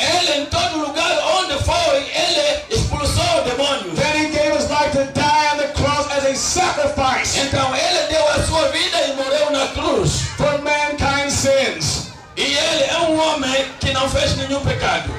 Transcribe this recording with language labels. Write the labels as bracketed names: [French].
[Portuguese] Ele em todo lugar onde foi, ele expulsou demônios. [English] Then he gave his life to die on the cross as a sacrifice. [Portuguese] Então ele deu a sua vida e morreu na cruz. For mankind's sins. E ele é um homem que não fez nenhum pecado.